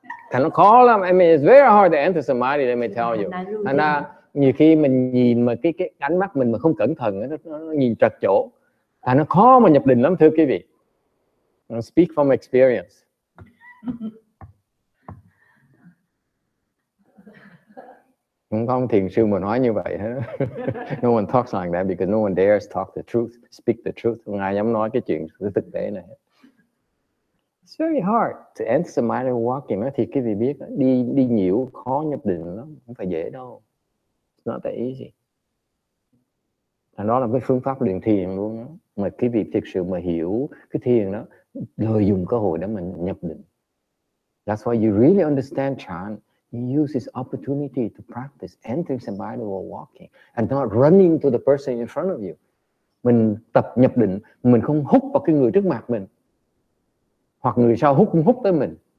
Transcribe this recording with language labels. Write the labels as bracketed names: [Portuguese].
[Vietnamese] Thành nó khó lắm. [English] I mean, it's very hard to enter samadhi, let me tell you. [Vietnamese] Thành ra nhiều khi mình nhìn mà cái ánh mắt mình mà không cẩn thận, nó nhìn trật chỗ. Thành nó khó mà nhập định lắm, thưa quý vị. [English] I'll speak from experience. [Vietnamese] Không có thiền sư mà nói như vậy hết. [English] No one talks like that because no one dares talk the truth, speak the truth. [Vietnamese] Không ai dám nói cái chuyện thực tế này. [English] It's very hard to enter samadhi walking. [Vietnamese] Thì cái gì biết, đi nhiễu khó nhập định lắm, không phải dễ đâu. [English] It's not that easy. [Vietnamese] Thành đó là cái phương pháp luyện thiền luôn đó. Mà cái việc thực sự mà hiểu cái thiền đó, lợi dụng cơ hội để mình nhập định. [English] That's why you really understand Chan. You use this opportunity to practice entering samadhi while walking and not running to the person in front of you. [Vietnamese] Mình tập nhập định, mình không hút vào cái người trước mặt mình. Hoặc người sau hút cũng hút tới mình.